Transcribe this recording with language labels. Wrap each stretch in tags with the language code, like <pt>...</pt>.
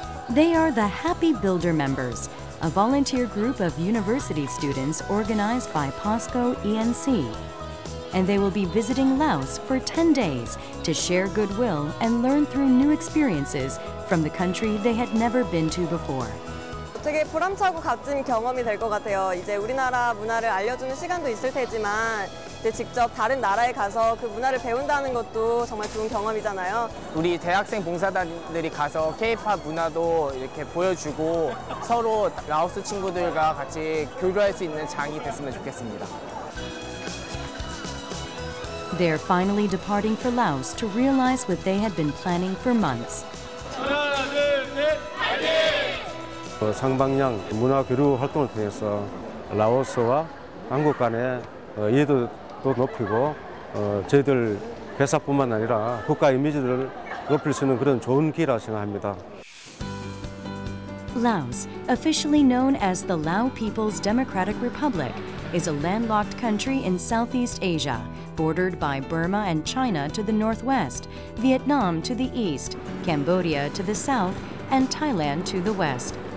<en>They are the Happy Builder members, a volunteer group of university students organized by POSCO ENC. And they will be visiting Laos for 10 days to share goodwill and learn through new experiences from the country they had never been to before.</en> <ko>되게 보람차고 값진 경험이 될 것 같아요. 이제 우리나라 문화를 알려주는 시간도 있을 테지만 이제 직접 다른 나라에 가서 그 문화를 배운다는 것도 정말 좋은 경험이잖아요. 우리 대학생 봉사단들이 가서 K-POP 문화도 이렇게 보여주고 서로 라오스 친구들과 같이 교류할 수 있는 장이 됐으면 좋겠습니다.</ko> <en>They're finally departing for Laos to realize what they had been planning for months.</en> <ko>상방량 문화 교류 활동을 통해서 라오스와 한국 간의 이해도 또 높이고 저희들 회사뿐만 아니라 국가 이미지를 높일 수 있는 그런 좋은 기회라 생각합니다.</ko> <en>Laos, officially known as the Lao People's Democratic Republic, is a landlocked country in Southeast Asia, bordered by Burma and China to the northwest, Vietnam to the east, Cambodia to the south, and Thailand to the west.</en>